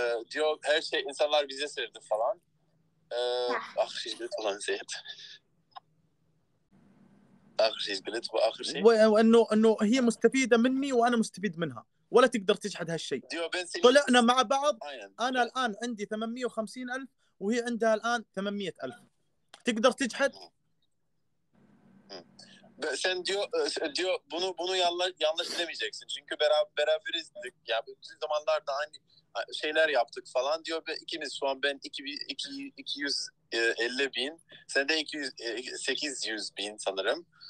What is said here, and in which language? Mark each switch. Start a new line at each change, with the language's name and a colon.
Turkish: Diyor her şey insanlar bize sevdi falan. Şimdi falan zeyt.
Arabic: أخر شيء قلت وأخر شيء وأنه هي مستفيدة مني وأنا مستفيد منها ولا تقدر تجحد هالشيء. طلعنا مع بعض أنا الآن عندي 850 ألف وهي عندها الآن 800 ألف، تقدر تجحد؟
Turkish: Sen diyor bunu yanlış demeyeceksin çünkü beraber izledik ya bütün zamanlarda aynı şeyler yaptık falan diyor. Ve ikimiz şu an ben 250 bin sen de 800 bin sanırım.